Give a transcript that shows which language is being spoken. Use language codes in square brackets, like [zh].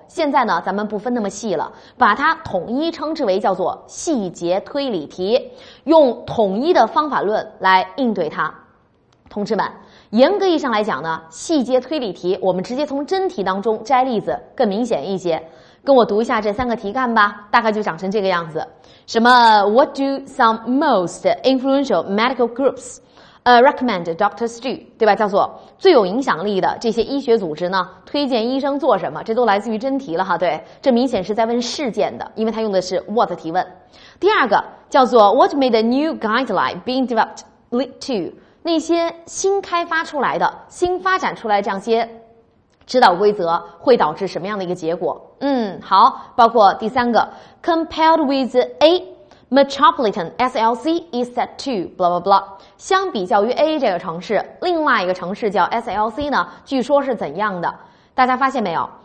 [zh] 现在呢，咱们不分那么细了，把它统一称之为叫做细节推理题，用统一的方法论来应对它。同志们，严格意义上来讲呢，细节推理题我们直接从真题当中摘例子更明显一些。跟我读一下这三个题干吧，大概就长成这个样子。什么 [en] What do some most influential medical groups recommend doctors do? [zh] 对吧，叫做最有影响力的这些医学组织呢推荐医生做什么，这都来自于真题了哈。对，这明显是在问事件的，因为他用的是 what 提问。 [en] 第二个叫做 What made the new guideline being developed lead to? [zh] 那些新开发出来的、新发展出来这样些指导规则会导致什么样的一个结果？好，包括第三个 ， [en] compared with A metropolitan SLC is set to blah blah [zh] blah， 相比较于 A 这个城市，另外一个城市叫 SLC 呢，据说是怎样的？大家发现没有？